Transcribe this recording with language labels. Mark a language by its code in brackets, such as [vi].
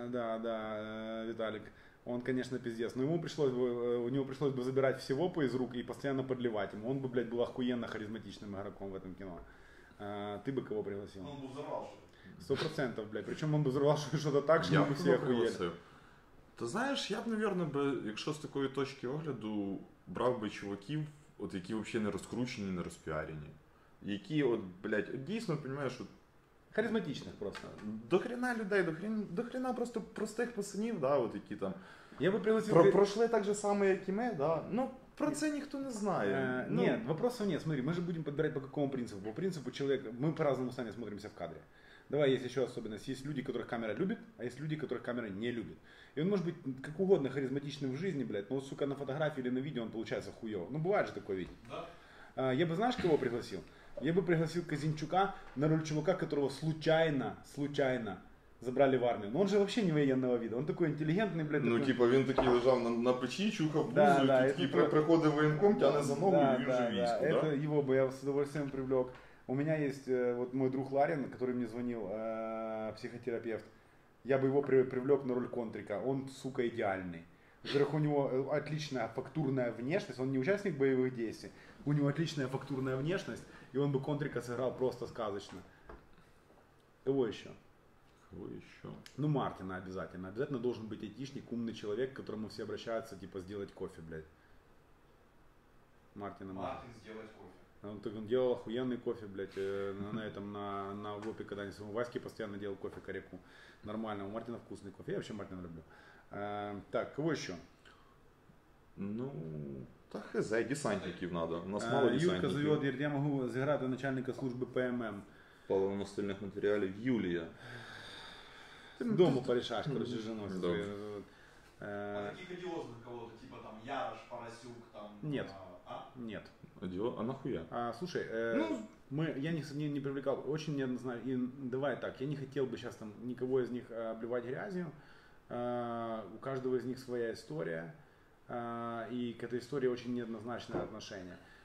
[ru] Да, Виталик. Он, конечно, пиздец. Но ему пришлось бы, у него пришлось бы забирать все вопы из рук и постоянно подливать ему. Он бы, блядь, был охуенно харизматичным игроком в этом кино. Ты бы кого пригласил? Он бы взорвал что-то. 100%, блядь. Причем он бы взорвал что-то так, что мы все охуели. [uk] Ти знаєш, я б, наверное, би, якщо з такої точки огляду, брав би чуваків, от які взагалі не розкручені, не розпіарені. Які, от, блядь, от дійсно, розумієш, от... харизматичних просто. До хрена людей, до хрена просто простих пацанів, да, от які там. Я би пригласив... Пройшли так же само, як і ми, да. Ну, про це ніхто не знає. [ru] Нет, вопросов нет. [uk] Смотри, ми ж будемо підбирати по якому принципу. По принципу чоловік, ми по-разному самі смотримося в кадрі. [ru] Давай, есть еще особенность. Есть люди, которых камера любит, а есть люди, которых камера не любит. И он может быть как угодно харизматичным в жизни, блядь, но вот, сука, на фотографии или на видео он получается хуёво. Ну, бывает же такое, видишь? Да. Я бы, знаешь, кого пригласил? Я бы пригласил Казинчука на роль чувака, которого случайно забрали в армию. Ну, он же вообще не военного вида, он такой интеллигентный, блядь. Ну, такой... [uk] типа, він такий лежав на печі, чухав пузо, да, і да, такий про... приходив воєнком, тяне за ногу, да, і він да, вже військо, да? [ru] Это его бы я с удовольствием привлек. У меня есть вот мой друг Ларин, который мне звонил, психотерапевт. Я бы его привлек на роль контрика, он, сука, идеальный. Во-первых, у него отличная фактурная внешность, он не участник боевых действий, у него отличная фактурная внешность, и он бы контрика сыграл просто сказочно. Кого еще? Кого еще? Ну, Мартина обязательно. Обязательно должен быть айтишник, умный человек, к которому все обращаются, типа, сделать кофе, блядь. Мартина Мартин сделать кофе. Он так он делал охуенный кофе, блядь, на этом, на ГОПе, когда они с Ваське постоянно делал кофе коряку. Нормально, у Мартина вкусный кофе, я вообще Мартина люблю. Так, кого еще? Ну, та хз, десантників надо. У нас мало десантників. Юлька зовет, говорит, я могу [uk] зіграти начальника служби ПММ. Половину остальних матеріалів Юлія. Дому порішаєш, короче, жену свою. А таких одіозних кого-то, типа там Ярош, Парасюк, там... [ru] Нет. А? Нет. А нахуя? А, слушай, я не привлекал, очень неоднозначно, давай так, я не хотел бы сейчас там никого из них обливать грязью. У каждого из них своя история, и к этой истории очень неоднозначное отношение.